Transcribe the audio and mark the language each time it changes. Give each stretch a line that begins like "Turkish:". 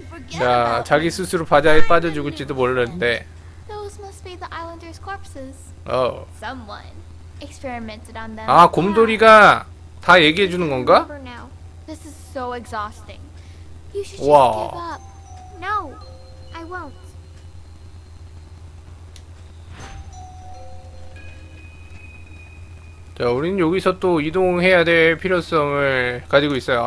Korean: 자, 자기 스스로 바다에 빠져 죽을지도 모르는데.
English: Those must be the islanders' corpses. Someone experimented on them.
Korean: 아, 곰돌이가 다 얘기해 주는 건가?
English: This is so exhausting. You should just give up. No, I won't.
Korean: 자, 우리는 여기서 또 이동해야 될 필요성을 가지고 있어요.